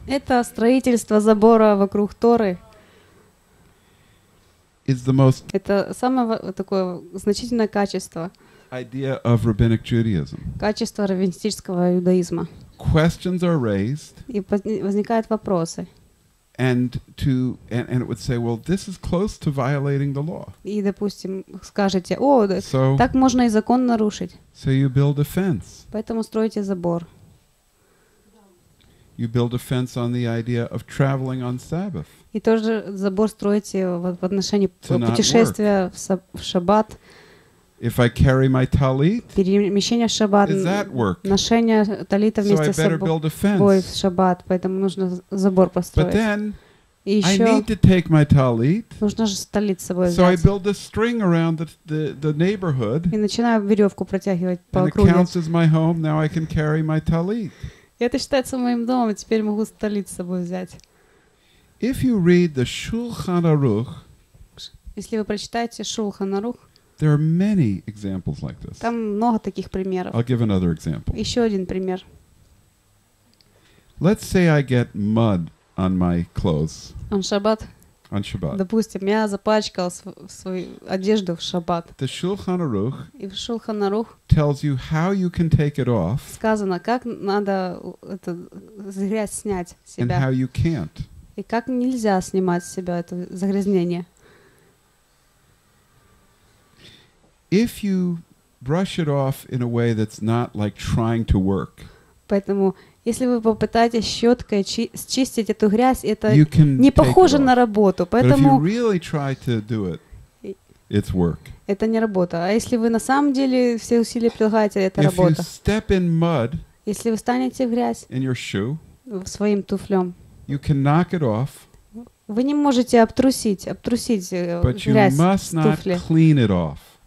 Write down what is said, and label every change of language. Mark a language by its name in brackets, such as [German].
[Russian] Это строительство забора вокруг Торы. [English] Is the most [Russian] это самое такое значительное качество. [English] Idea of rabbinic Judaism. [Russian] Качество раввинистического иудаизма. [English] Questions are raised. [Russian] И возникают вопросы. [English] And it would say, well, this is close to violating the law. [Russian] И допустим скажете, о, so, так можно и закон нарушить. [English] So you build a fence. [Russian] Поэтому строите забор. [English] You build a fence on the idea of traveling on Sabbath. [Russian] И тоже забор строите в отношении путешествия в шаббат. [English] If I carry my talit, [Russian] перемещение в шаббат, [English] does that work? [Russian] Ношение талита вместе с собой в шаббат, поэтому нужно забор построить. [English] But then, [Russian] и еще [English] I need to take my talit, [Russian] нужно же талит с собой взять. [English] So I build a string around the neighborhood, [Russian] и начинаю веревку протягивать по [English] and [Russian] округе. [English] It counts as my home, now I can carry my talit. [Russian] И это считается моим домом, теперь могу талит с собой взять. [English] If you read the Shulchan Aruch, [Russian] если вы прочитаете Шулхан Арух, [English] there are many examples like this. [Russian] Там много таких примеров. [English] I'll give another example. [Russian] Еще один пример. [English] Let's say I get mud on my clothes. On Shabbat. On Shabbat. [Russian] Допустим, я запачкал свою одежду в Шабат. [English] The Shulchan Aruch. [Russian] И в Шулхан Арух [English] tells you how you can take it off. [Russian] Сказано, как надо эту грязь снять с себя. [English] And how you can't. [Russian] И как нельзя снимать с себя это загрязнение? [English] If you brush it off in a way that's not like trying to work. [Russian] Поэтому, если вы попытаетесь щеткой счистить эту грязь, это не похоже на работу. Поэтому [English] But if you really try to do it, it's work. [Russian] Это не работа. А если вы на самом деле все усилия прилагаете, это [English] if [Russian] работа. [English] If you step in mud, [Russian] если вы станете в грязь, [English] in your shoe, [Russian] в своим туфлем. [English] You can knock it off. [Russian] Вы не можете обтрусить грязь с туфли. [English] But you must not clean it off.